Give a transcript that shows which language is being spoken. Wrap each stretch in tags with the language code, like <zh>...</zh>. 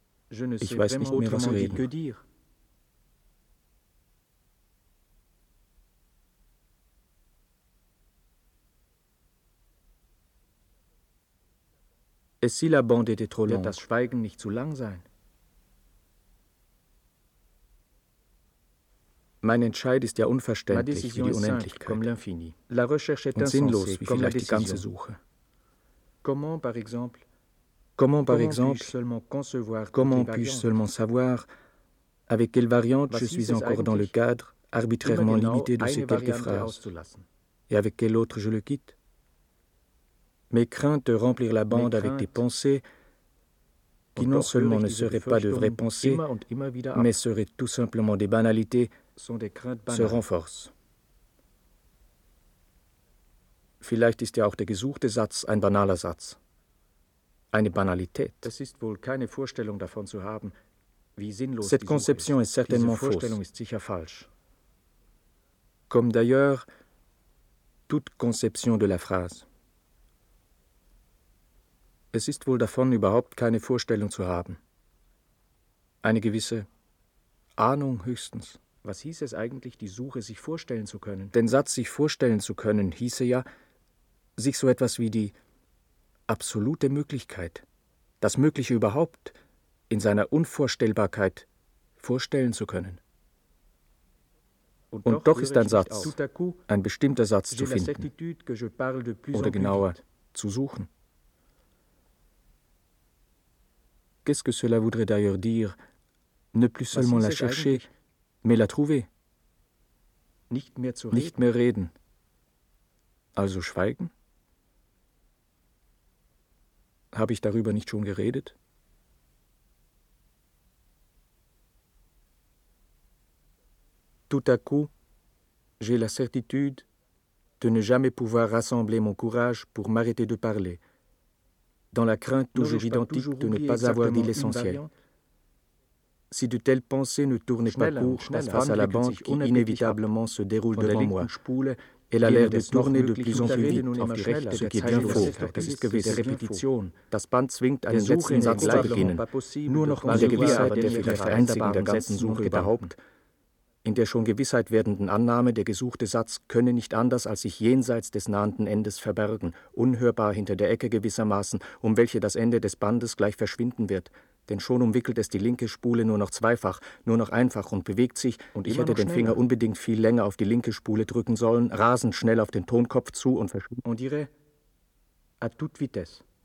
<fr>Je ne sais vraiment</fr> <de>nicht mehr,</de> <fr>autrement</fr> <de>was reden.</de> <fr>Que dire. Et si la bande était trop longue?</fr> <de>Wird das Schweigen nicht zu lang sein? Mein Entscheid ist ja unverständlich wie die Unendlichkeit.</de> <fr>Comme l'infini. La recherche est</fr> <de>und sinnlos wie</de> <fr>comme</fr> <de>vielleicht die ganze Suche.</de> <fr>Comment, par exemple, comment, par exemple, seulement concevoir comment puis-je seulement savoir avec quelle variante</fr> <de>Was</de> <fr>je suis encore dans le cadre arbitrairement limité de ces quelques phrases et avec quelle autre je le quitte? Mes craintes de remplir la bande avec des pensées qui non seulement ne seraient pas de vraies pensées, mais seraient tout simplement des banalités, se renforcent.</fr> <de>Vielleicht ist ja auch der gesuchte Satz ein banaler Satz. Eine Banalität. Es ist wohl keine Vorstellung davon zu haben, wie sinnlos</de> <fr>cette conception</fr> <de>ist.</de> <fr>Est certainement</fr> <de>Diese Vorstellung fausse. Ist sicher falsch.</de> <fr>Comme d'ailleurs toute conception de la phrase.</fr> <de>Es ist wohl davon überhaupt keine Vorstellung zu haben. Eine gewisse Ahnung höchstens. Was hieß es eigentlich, die Suche sich vorstellen zu können? Den Satz sich vorstellen zu können hieße ja, sich so etwas wie die absolute Möglichkeit, das Mögliche überhaupt in seiner Unvorstellbarkeit vorstellen zu können. Und doch ist ein Satz, ein bestimmter Satz zu finden, oder genauer, zu suchen.</de> <fr>Qu'est-ce que cela voudrait d'ailleurs dire, ne plus seulement la chercher, mais la trouver?</fr> <de>Nicht mehr zu reden. Nicht mehr reden. Also schweigen? Habe ich darüber nicht schon geredet?</de> <fr>Tout à coup, j'ai la certitude de ne jamais pouvoir rassembler mon courage pour m'arrêter de parler. Dans la crainte toujours identique de ne pas avoir dit l'essentiel. Si de telles pensées ne tournaient pas court face à la bande qui inévitablement se déroule devant moi, elle a l'air de tourner de plus en plus vite</fr> <de>auf die rechte,</de> <fr>ce qui est bien faux,</fr> <de>das ist gewiss, der Repetition, das Band zwingt einen letzten Satz zu beginnen, nur noch in der Gewissheit der vielleicht einzigen der ganzen Suche überhaupt, in der schon Gewissheit werdenden Annahme, der gesuchte Satz könne nicht anders als sich jenseits des nahenden Endes verbergen, unhörbar hinter der Ecke gewissermaßen, um welche das Ende des Bandes gleich verschwinden wird. Denn schon umwickelt es die linke Spule nur noch zweifach, nur noch einfach und bewegt sich, und ich hätte den Finger unbedingt viel länger auf die linke Spule drücken sollen, rasend schnell auf den Tonkopf zu und verschwinden.</de> <fr>On dirait à toute vitesse.</fr>